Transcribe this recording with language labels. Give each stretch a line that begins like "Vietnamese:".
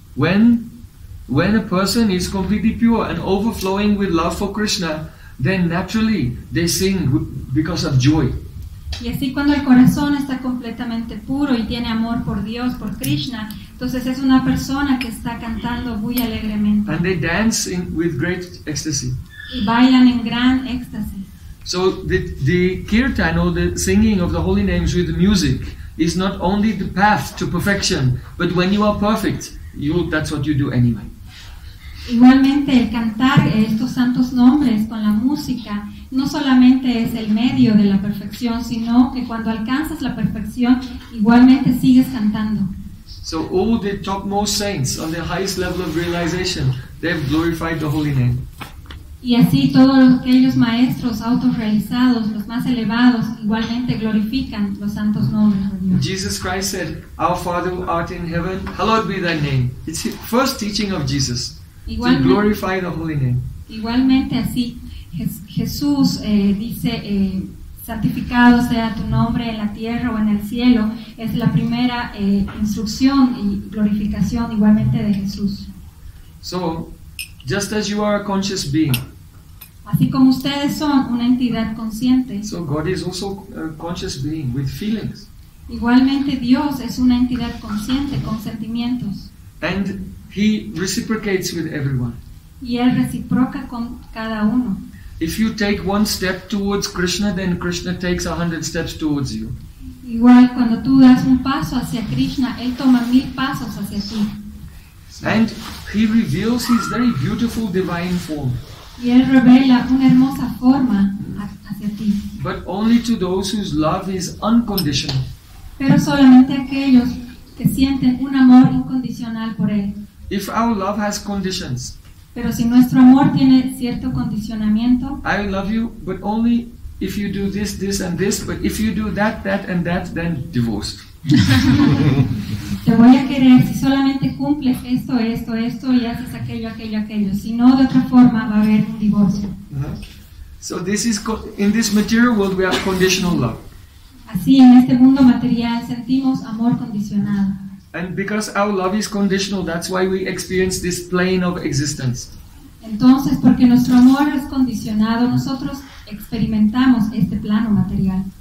English: When a person is completely pure and overflowing with love for Krishna, then naturally they sing because of joy.
Spanish: Y así cuando el corazón está completamente puro y tiene amor por Dios, por Krishna, entonces es una persona que está cantando muy alegremente.
English: And they dance with great ecstasy.
Spanish: Y bailan en gran éxtasis.
English: So the kirtan or the singing of the holy names with music is not only the path to perfection, but when you are perfect, that's what you do anyway.
Spanish: Igualmente el cantar estos santos nombres con la música no solamente es el medio de la perfección, sino que cuando alcanzas la perfección, igualmente sigues cantando.
English: So all the topmost saints on the highest level of realization, they've glorified the holy name.
Spanish: Y así todos aquellos maestros autorrealizados, los más elevados, igualmente glorifican los santos nombres de Dios.
English: Jesus Christ said, "Our Father who art in heaven, hallowed be thy name." It's the first teaching of Jesus. Igualmente, to glorify the holy name.
Spanish: Igualmente así, Jesús dice, santificado sea tu nombre en la tierra o en el cielo. Es la primera instrucción y glorificación igualmente de Jesús.
English: So, just as you are a conscious being.
Spanish: Así como ustedes son una entidad consciente.
English: So God is also a conscious being with feelings.
Spanish: Igualmente Dios es una entidad consciente con sentimientos.
English: And He reciprocates with everyone.
Spanish: y es recíproca con cada uno.
English: If you take one step towards Krishna, then Krishna takes 100 steps towards you.
Spanish: Igual cuando tú das un paso hacia Krishna, él toma 1000 pasos hacia ti.
English: And he reveals his very beautiful divine form.
Spanish: Y él revela una hermosa forma hacia ti.
English: But only to those whose love is unconditional.
Spanish: Pero solamente aquellos que sienten un amor incondicional por él.
English: If our love has conditions.
Spanish: Pero si nuestro amor tiene cierto condicionamiento.
English: I love you, but only if you do this, this and this, but if you do that, that and that, then divorced.
Spanish: Te voy a querer si solamente cumples esto, esto, esto y haces aquello, aquello, aquello. Si no, de otra forma va a haber un divorcio.
English: So this is in this material world we have conditional love.
Spanish: Así en este mundo material sentimos amor condicionado.
English: And because our love is conditional, that's why we experience this plane of existence.
Spanish: Entonces, porque nuestro amor es condicionado, nosotros experimentamos este plano material.